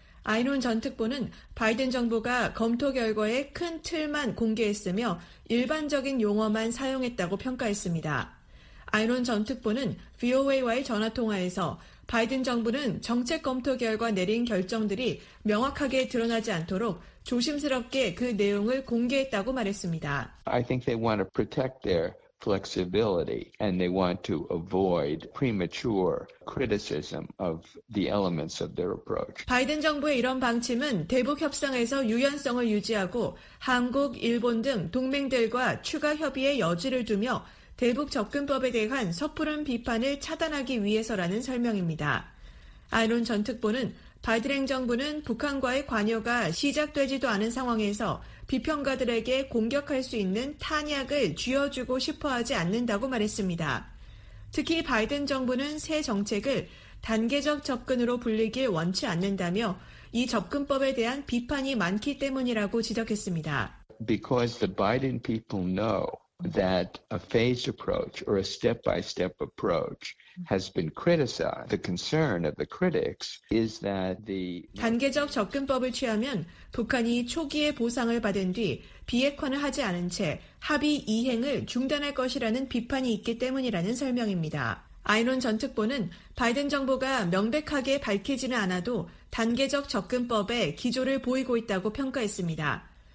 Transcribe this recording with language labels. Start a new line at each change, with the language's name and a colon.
Korean: 아이논 전 특보는 바이든 정부가 검토 결과의 큰 틀만 공개했으며 일반적인 용어만 사용했다고 평가했습니다. 아이론 전 특보는 VOA와의 전화통화에서 바이든 정부는 정책 검토 결과 내린 결정들이 명확하게 드러나지 않도록 조심스럽게 그 내용을 공개했다고 말했습니다.
English: I think they want to protect their flexibility and they want to avoid premature criticism of the elements of their approach.
Korean: 바이든 정부의 이런 방침은 대북 협상에서 유연성을 유지하고 한국, 일본 등 동맹들과 추가 협의의 여지를 두며 대북 접근법에 대한 섣부른 비판을 차단하기 위해서라는 설명입니다. 아이론 전 특보는 바이든 행정부는 북한과의 관여가 시작되지도 않은 상황에서 비평가들에게 공격할 수 있는 탄약을 쥐어주고 싶어하지 않는다고 말했습니다. 특히 바이든 정부는 새 정책을 단계적 접근으로 불리길 원치 않는다며 이 접근법에 대한 비판이 많기 때문이라고 지적했습니다.
English: Because the Biden people know that a phased approach or a step-by-step approach has been criticized. The concern of the critics is that the
Korean: 단계적 접근법을 취하면 북한이 초기에 보상을 받은 뒤 비핵화를 하지 않은 채 합의 이행을 중단할 것이라는 비판이 있기 때문이라는 설명입니다. 아이론 전 특보는 바이든 정부가 명백하게 밝히지는 않아도 단계적 접근법의 기조를 보이고 있다고 평가했습니다.